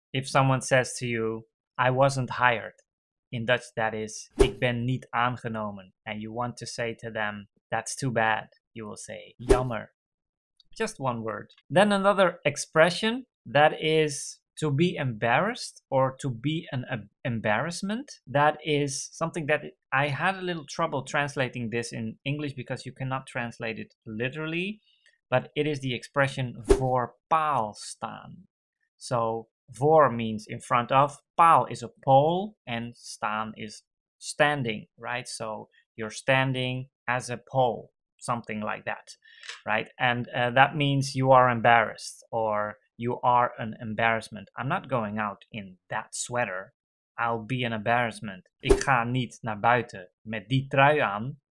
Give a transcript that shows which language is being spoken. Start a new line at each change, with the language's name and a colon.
English: If someone says to you, I wasn't hired, in Dutch that is
Dutch: ik ben niet aangenomen,
English: and you want to say to them that's too bad, you will say jammer. Just one word. Then another expression, that is to be embarrassed or to be an embarrassment. That is something that I had a little trouble translating this in English because you cannot translate it literally. But it is the expression
Dutch: voor paal staan.
English: So voor means in front of, paal is a pole, and staan is standing, right? So you're standing as a pole, something like that, right? And that means you are embarrassed or you are an embarrassment. I'm not going out in that sweater. I'll be an embarrassment.
Dutch: Ik ga niet naar buiten met die trui aan.